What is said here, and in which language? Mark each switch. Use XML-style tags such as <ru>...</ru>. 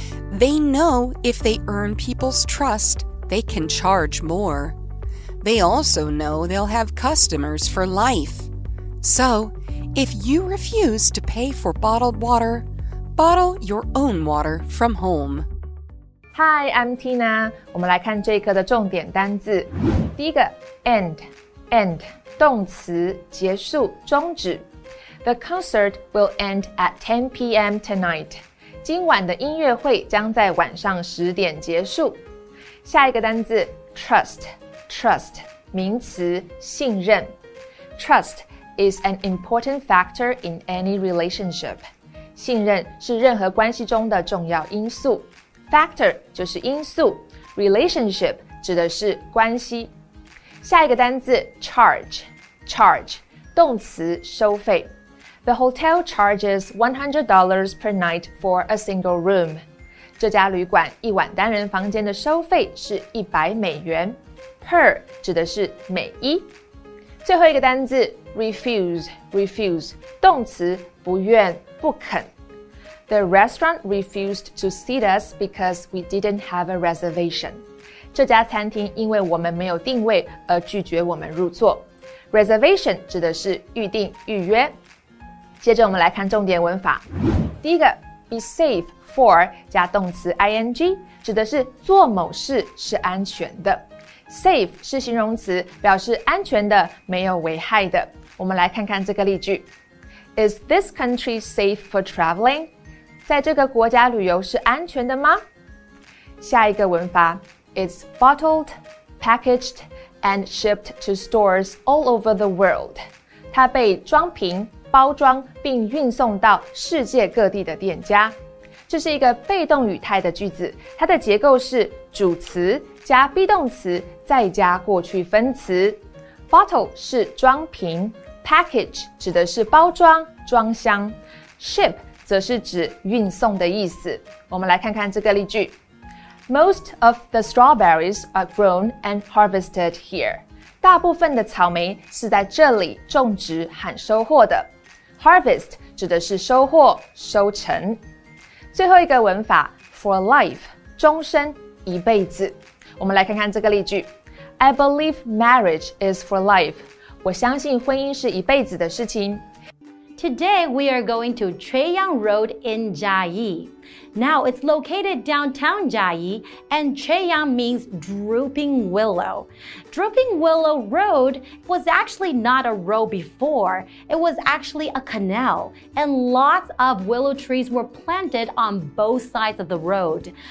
<en>They know if they earn people's trust, they can charge more. They also know they'll have customers for life. So, if you refuse to pay for bottled water, bottle your own water from home. Hi, I'm Tina.</en> <zh>我们来看这一课的重点单字。第一个 end, 动词，结束，终止。</zh> <en>The concert will end at 10 p.m. tonight.</en> <zh>今晚的音乐会将在晚上十点结束。下一个单字 trust, 名词，信任。</zh> <en>Trust is an important factor in any relationship.</en> <zh>信任是任何关系中的重要因素。 Factor 就是因素， relationship 指的是关系。下一个单字 charge, 动词，收费。</zh> <en>The hotel charges $100 per night for a single room.</en> <zh>这家旅馆一晚单人房间的收费是$100. Per 指的是每一。最后一个单字 refuse, 动词，不愿，不肯。</zh> <en>The restaurant refused to seat us because we didn't have a reservation.</en> <zh>这家餐厅因为我们没有定位而拒绝我们入座。 Reservation 指的是预定，预约。接着我们来看重点文法。第一个 be safe for 加动词 ing 指的是做某事是安全的。 Safe 是形容词，表示安全的，没有危害的。我们来看看这个例句。</zh> <en>Is this country safe for traveling?</en> <zh>在这个国家旅游是安全的吗？下一个文法</zh> <en>It's bottled, packaged, and shipped to stores all over the world.</en> <zh>它被装瓶包装并运送到世界各地的店家。这是一个被动语态的句子，它的结构是主词加 be 动词再加过去分词。 Bottle 是装瓶， package 指的是包装装箱， ship 则是指运送的意思。我们来看看这个例句。</zh> <en>Most of the strawberries are grown and harvested here.</en> <zh>大部分的草莓是在这里种植和收获的。 Harvest 指的是收获、收成。最后一个文法 for life 终身、一辈子。我们来看看这个例句 ：</zh> <en>I believe marriage is for life.</en> <zh>我相信婚姻是一辈子的事情。</zh> <en>Today we are going to Cheyang Road in Jiayi. Now it's located downtown Jiayi, and Cheyang means drooping willow. Drooping Willow Road was actually not a road before. It was actually a canal, and lots of willow trees were planted on both sides of the road.</en>